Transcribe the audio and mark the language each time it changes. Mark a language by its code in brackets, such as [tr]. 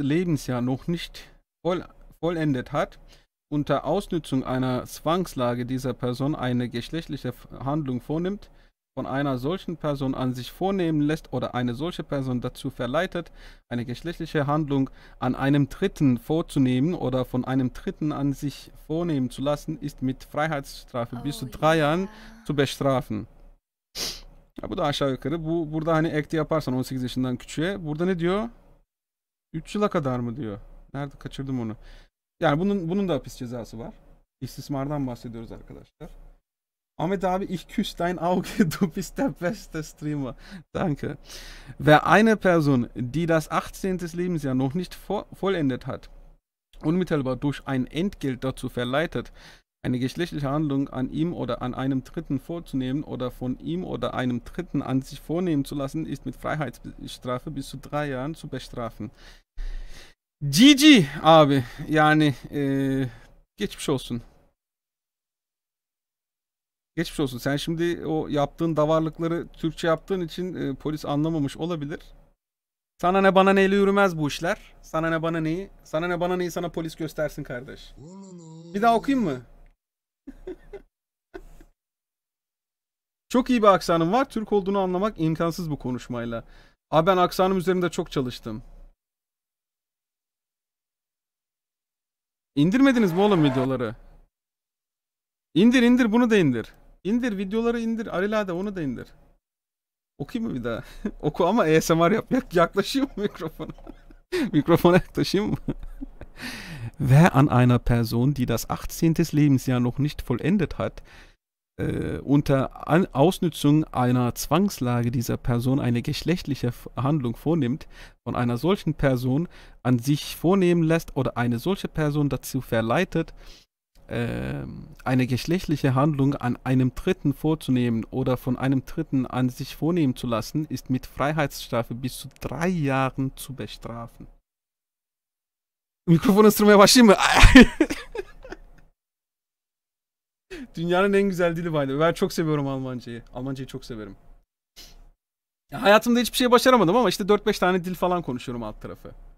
[de] Lebensjahr noch nicht vollendet hat, unter Ausnutzung einer Zwangslage dieser Person eine geschlechtliche Handlung vornimmt, von einer solchen Person an sich vornehmen lässt oder eine solche Person dazu verleitet, eine geschlechtliche Handlung an einem Dritten vorzunehmen oder von einem Dritten an sich vornehmen zu lassen, ist mit Freiheitsstrafe bis zu 3 Jahren zu bestrafen. [tr] Ja, bu da aşağı yukarı. Bu, burada hani ekti yaparsan 18 yaşından küçüğe. Burada ne diyor? 3 yıla kadar mı diyor? Nerede kaçırdım onu? Yani bunun da hapis cezası var. İstismardan bahsediyoruz arkadaşlar. [de] Ahmet abi, ich küsse dein Auge, du bist der beste Streamer. Danke. Wer eine Person, die das 18. Lebensjahr noch nicht vollendet hat, unmittelbar durch ein Entgelt dazu verleitet, eine geschlechtliche Handlung an ihm oder an einem Dritten vorzunehmen oder von ihm oder einem Dritten an sich vornehmen zu lassen, ist mit Freiheitsstrafe bis zu 3 Jahren zu bestrafen. [tr] GG abi, yani geçmiş olsun. Geçmiş olsun. Sen şimdi o yaptığın davarlıkları Türkçe yaptığın için polis anlamamış olabilir. Sana ne bana neyle yürümez bu işler. Sana ne bana neyi. Sana ne bana neyi sana polis göstersin kardeş. Bir daha okuyayım mı? Çok iyi bir aksanım var. Türk olduğunu anlamak imkansız bu konuşmayla. Abi ben aksanım üzerinde çok çalıştım. İndirmediniz mi oğlum videoları? İndir indir, bunu da indir. İndir videoları indir. Arilade onu da indir. Okuyayım mı bir daha? Oku ama ASMR yap. Yaklaşayım mı mikrofona? Mikrofona yaklaşayım mı? [de] Wer an einer Person, die das 18. Lebensjahr noch nicht vollendet hat, unter Ausnutzung einer Zwangslage dieser Person eine geschlechtliche Handlung vornimmt, von einer solchen Person an sich vornehmen lässt oder eine solche Person dazu verleitet, eine geschlechtliche Handlung an einem Dritten vorzunehmen oder von einem Dritten an sich vornehmen zu lassen, ist mit Freiheitsstrafe bis zu 3 Jahren zu bestrafen. [tr] Mikrofon ısırmaya başlayayım mı? Dünyanın en güzel dili baydı. Ben çok seviyorum Almancayı. Almancayı çok severim. Ya hayatımda hiçbir şey başaramadım ama işte 4-5 tane dil falan konuşuyorum alt tarafı.